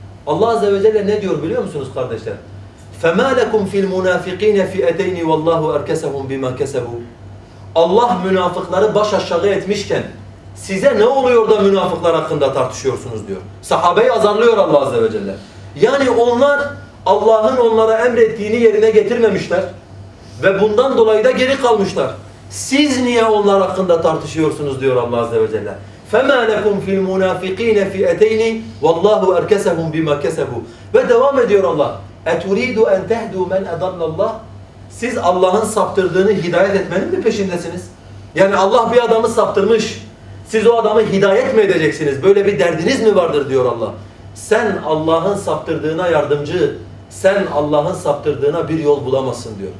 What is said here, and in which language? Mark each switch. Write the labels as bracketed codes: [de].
[tr] Allah Azze ve Celle ne diyor biliyor musunuz kardeşler? [ar] فَمَا لَكُمْ فِي الْمُنَافِقِينَ فِيَتَيْنِ وَاللّٰهُ اَرْكَسَهُمْ بِمَا كَسَبُوا [tr] Allah münafıkları baş aşağı etmişken size ne oluyor da münafıklar hakkında tartışıyorsunuz diyor. Sahabeyi azarlıyor Allah Azze ve Celle. Yani onlar Allah'ın onlara emrettiğini yerine getirmemişler ve bundan dolayı da geri kalmışlar. Siz niye onlar hakkında tartışıyorsunuz diyor Allah Azze ve Celle. [ar] فَمَا لَكُمْ فِي الْمُنَافِقِينَ فِيَتَيْنِ وَاللّٰهُ اَرْكَسَهُمْ بِمَا كَسَبُوا [tr] Ve devam ediyor Allah. [ar] اَتُرِيدُ اَنْ تَهْدُوا مَنْ اَضَلَّ اللّٰهُ [tr] Siz Allah'ın saptırdığını hidayet etmenin mi peşindesiniz? Yani Allah bir adamı saptırmış. Siz o adamı hidayet mi edeceksiniz? Böyle bir derdiniz mi vardır diyor Allah. Sen Allah'ın saptırdığına yardımcı, sen Allah'ın saptırdığına bir yol bulamazsın diyor.